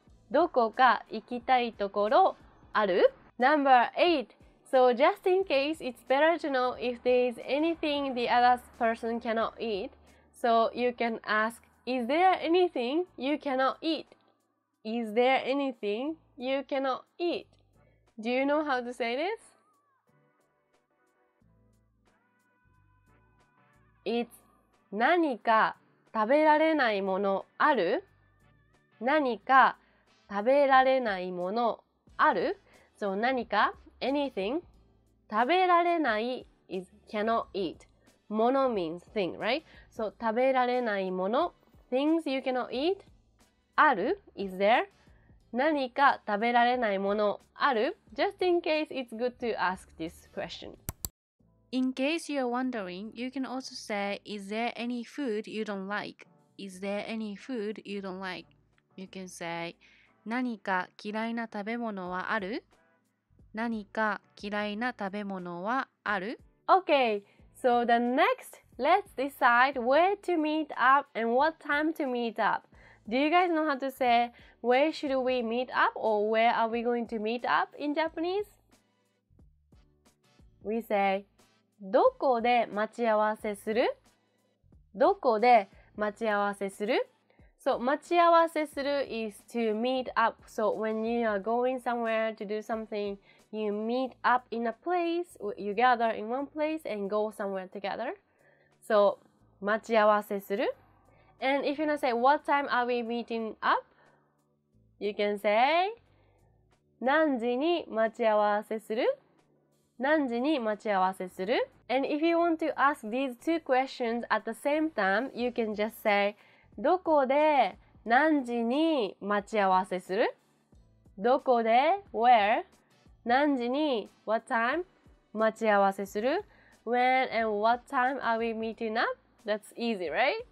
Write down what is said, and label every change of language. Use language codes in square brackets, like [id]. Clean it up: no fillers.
[ja] どこか行きたいところ。 [en] ある?Number 8. So just in case, it's better to know if there is anything the other person cannot eat. So you can ask, is there anything you cannot eat? Is there anything you cannot eat? Do you know how to say this? [ja] It's 何か食べられないものある? 何か食べられないものある? [en] So 何か anything 食べられない is cannot eat. もの means thing, right? So [ja] 食べられないもの [en] things you cannot eat [ja] ある? [en] Is there? [ja] 何か食べられないものある? [en] Just in case it's good to ask this question. In case you're wondering, you can also say, is there any food you don't like? Is there any food you don't like? You can say, [ja] 何か嫌いな食べ物はある? 何か嫌いな食べ物はある? [en] Okay, so the next, let's decide where to meet up and what time to meet up. Do you guys know how to say, where should we meet up or where are we going to meet up in Japanese? We say, [ja] どこで待ち合わせする? どこで待ち合わせする? [en] So, 待ち合わせする is to meet up. So, when you are going somewhere to do something, you meet up in a place, you gather in one place and go somewhere together. [ja] So, 待ち合わせする。 [en] And if you're gonna say, what time are we meeting up? You can say, [ja] 何時に待ち合わせする? 何時に待ち合わせする? [en] And if you want to ask these two questions at the same time, you can just say, [ja] どこで何時に待ち合わせする? どこで where 何時に what time 待ち合わせする? [en] When and what time are we meeting up? That's easy, right?